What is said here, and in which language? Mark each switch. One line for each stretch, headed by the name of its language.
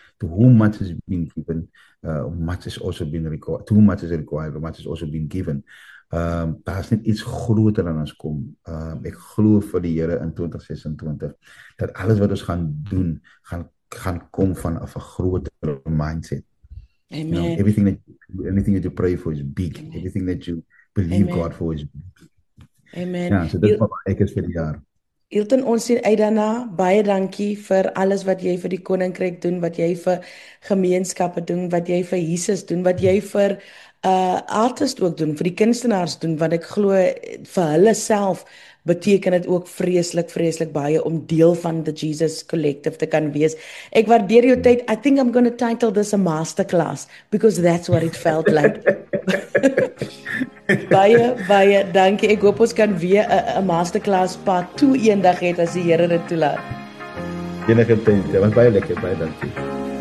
English: To how much has been given, much has also been required. To how much is required, much has also been given.
Afrikaans: Daar is net iets groter aan ons kom. Ek glo vir die Here in 2026 dat alles wat ons gaan doen gaan kom van 'n groter mindset. Amen.
English: Anything that you pray for is big. Amen. Everything that you believe Amen. God for is big. Amen.
Afrikaans: Ja, so dit is wat ek is vir die jaar. Hilton, ons sien uit daarna. Baie dankie vir alles wat jy vir die koninkryk doen, wat jy vir gemeenskappe doen, wat jy vir Jesus doen, wat jy vir artist ook doen, vir die kunstenaars doen, want ek glo vir hulle self beteken dit ook vreeslik, vreeslik baie om deel van the Jesus Collective te kan wees. Ek waardeer jou tyd.
English: I think I'm going to title this a masterclass because that's what it felt like.
Afrikaans: Baie, baie dankie. Ek hoop ons kan weer 'n masterclass part 2 eendag het as die Here dit toelaat. Enige tyd. Dit was baie lekker. Baie dankie.